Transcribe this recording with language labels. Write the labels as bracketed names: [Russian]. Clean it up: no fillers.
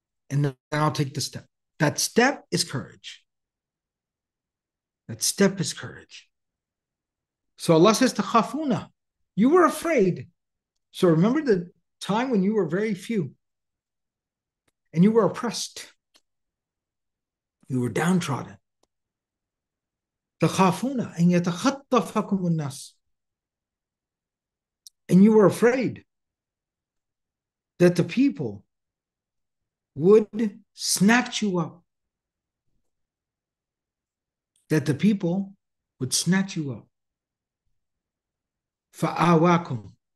[English] And then I'll take the step. That step is courage. That step is courage. So Allah says to Khafuna, you were afraid. So remember the time when you were very few and you were oppressed. You were downtrodden. [Arabic] تَخَافُونَ أَنْ يَتَخَطَّفَكُمُ النَّاسِ. [English] And you were afraid that the people would snatch you up. That the people would snatch you up. [Arabic] فَآوَاكُمْ.